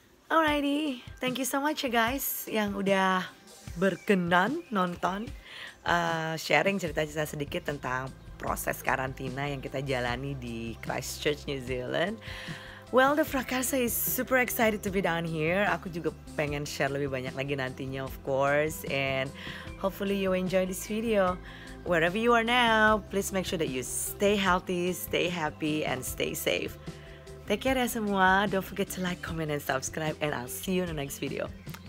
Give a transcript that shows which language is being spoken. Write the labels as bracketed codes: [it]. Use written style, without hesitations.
[id] Alrighty, [en] thank you so much [id] ya guys yang udah berkenan nonton sharing cerita-cerita sedikit tentang proses karantina yang kita jalani di Christchurch, New Zealand. [en] Well, the Prakasa is super excited to be down here. [id] Aku juga pengen share lebih banyak lagi nantinya, [en] of course. And hopefully you enjoy this video. Wherever you are now, please make sure that you stay healthy, stay happy, and stay safe. Take care ya semua. Don't forget to like, comment, and subscribe. And I'll see you in the next video.